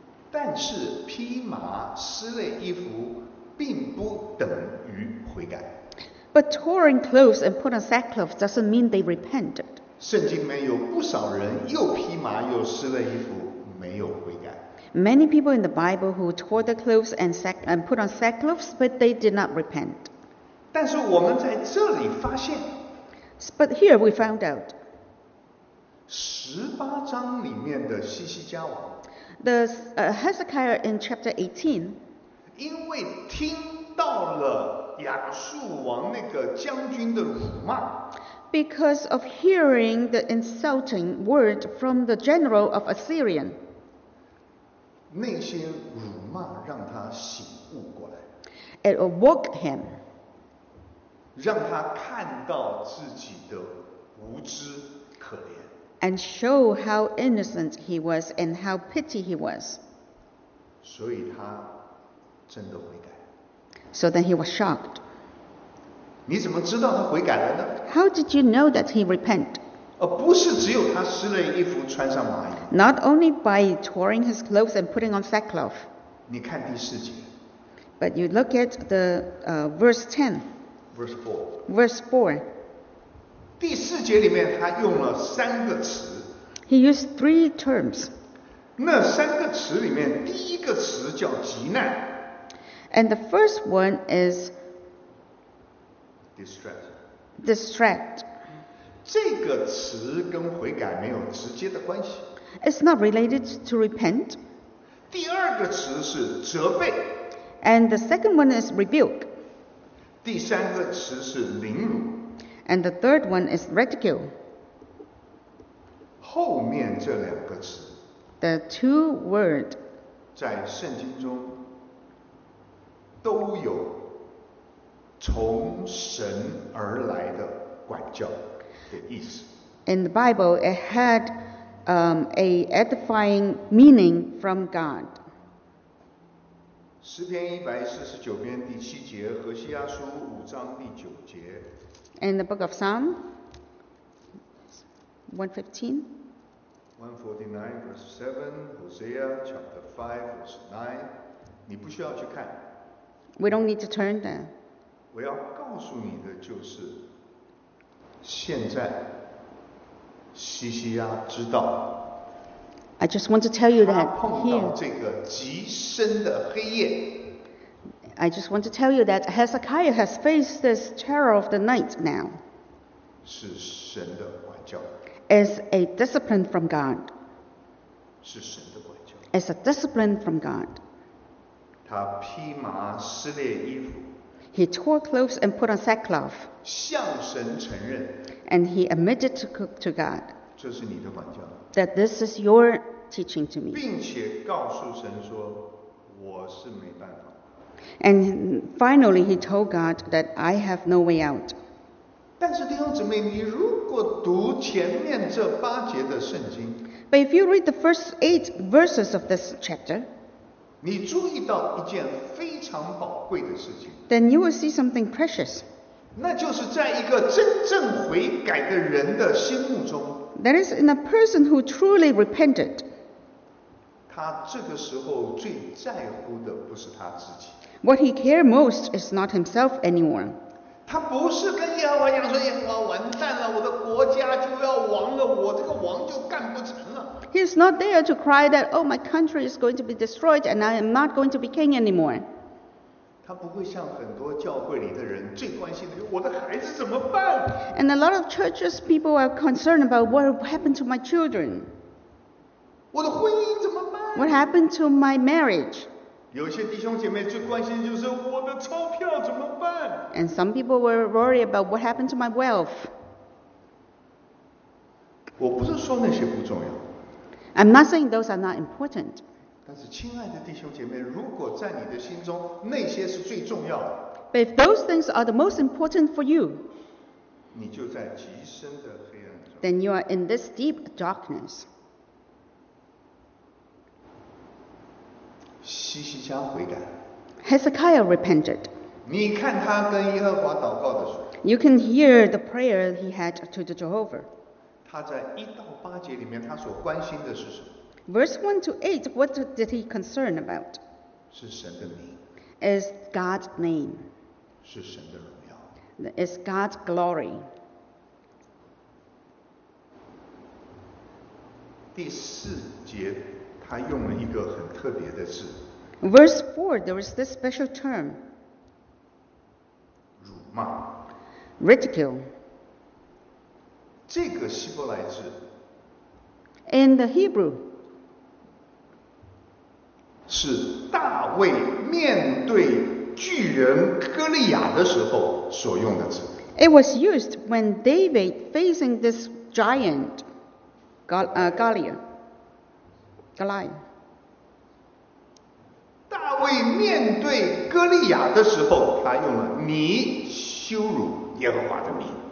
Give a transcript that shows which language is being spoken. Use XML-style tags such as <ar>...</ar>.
<zh>但是披麻撕裂衣服并不等于悔改。</zh> <en>But tearing clothes and put on sackcloth doesn't mean they repented.</en> <zh>圣经里面有不少人又披麻又撕了衣服，没有悔改。</zh> <en>Many people in the Bible who tore the clothes and put on sackcloth, but they did not repent.</en> <zh>但是我们在这里发现</zh> <en>，But here we found out.</en> <zh>十八章里面的西西家王</zh> <en>，The Hezekiah in chapter 18,</en> <zh>因为听到了亚述王那个将军的辱骂。</zh> <en>Because of hearing the insulting word from the general of Assyria,</en> <zh>那些辱骂让他醒悟过来。</zh> <en>It awoke him.</en> <zh>让他看到自己的无知可怜。</zh> <en>And show how innocent he was and how pity he was.</en> <zh>所以他真的悔改。</zh> <en>So then he was shocked.</en> <zh>你怎么知道他悔改了呢？</zh> <en>How did you know that he repent?</en> <zh>不是只有他撕了衣服穿上麻衣。</zh> <en>Not only by tearing his clothes and putting on sackcloth.</en> <zh>你看第四节。</zh> <en>But you look at the verse 10. Verse 4.</en> <zh>第四节里面他用了三个词。</zh> <en>He used three terms.</en> <zh>那三个词里面第一个词叫极难。</zh> <en>And the first one is. Distract.</en> <zh>这个词跟悔改没有直接的关系。</zh> <en>It's not related to repent.</en> <zh>第二个词是责备。</zh> <en>And the second one is rebuke.</en> <zh>第三个词是凌辱。</zh> <en>And the third one is ridicule.</en> <zh>后面这两个词。</zh> <en>The two words.</en> <zh>在圣经中都有。从神而来的管教的意思。</zh> <en>In the Bible, it had a edifying meaning from God.</en> <zh>诗篇一百四十九篇第七节，何西阿书五章第九节。</zh> <en>In the Book of Psalm, 149:7, Hosea chapter 5:9.</en> <zh>你不需要去看。</zh> <en>We don't need to turn there.</en> <zh>我要告诉你的就是，现在西西亚知道。</zh> <en>I just want to tell you that here.</en> <zh>他碰到这个极深的黑夜。</zh> <en>I just want to tell you that Hezekiah has faced this terror of the night now.</en> <zh>是神的管教。</zh> <en>Is a discipline from God.</en> <zh>是神的管教。</zh> <en>Is a discipline from God.</en> <zh>他披麻撕裂衣服。</zh> <en>He tore clothes and put on sackcloth.</en> <zh>向神承认。</zh> <en>And he admitted to God.</en> <zh>这是你的管教。</zh> <en>That this is your teaching to me.</en> <zh>并且告诉神说，我是没办法。</zh> <en>And finally, he told God that I have no way out.</en> <zh>但是弟兄姊妹，你如果读前面这八节的圣经</zh> <en>，But if you read the first eight verses of this chapter.</en> <zh>你注意到一件非常宝贵的事情。</zh> <en>Then you will see something precious.</en> <zh>那就是在一个真正悔改的人的心目中。</zh> <en>That is in a person who truly repented.</en> <zh>他这个时候最在乎的不是他自己。</zh> <en>What he cares most is not himself anymore.</en> <zh>他不是跟耶和华讲说耶和华完蛋了，我的国家就要亡了，我这个王就干不成了。</zh> <en>He is not there to cry that, oh, my country is going to be destroyed and I am not going to be king anymore.</en> <zh>他不会像很多教会里的人最关心的是我的孩子怎么办。</zh> <en>And a lot of churches people are concerned about what happened to my children.</en> <zh>我的婚姻怎么办。</zh> <en>What happened to my marriage.</en> <zh>有些弟兄姐妹最关心的就是我的钞票怎么办？</zh> <en>And some people were worried about what happened to my wealth.</en> <zh>我不是说那些不重要。</zh> <en>I'm not saying those are not important.</en> <zh>但是亲爱的弟兄姐妹，如果在你的心中那些是最重要的，</zh> <en>But if those things are the most important for you,</en> <zh>你就在极深的黑暗中。</zh> <en>Then you are in this deep darkness.</en> <zh>西西家悔改。</zh> <en>Hezekiah repented.</en> <zh>你看他跟耶和华祷告的时候。</zh> <en>You can hear the prayer he had to the Jehovah.</en> <zh>他在一到八节里面，他所关心的是什么</zh> <en>？Verse 1 to 8, what did he concern about?</en> <zh>是神的名。</zh> <en>Is God's name.</en> <zh>是神的荣耀。</zh> <en>Is God's glory.</en> <zh>第四节。他用了一个很特别的字。</zh> <en>Verse 4, there is this special term.</en> <zh>辱骂。</zh> <en>Ridicule.</en> <zh>这个希伯来字。</zh> <en>In the Hebrew.</en> <zh>是大卫面对巨人哥利亚的时候所用的字。</zh> <en>It was used when David facing this giant, Goliath.</en> <zh>大卫面对哥利亚的时候，他用了你羞辱耶和华的名。</zh>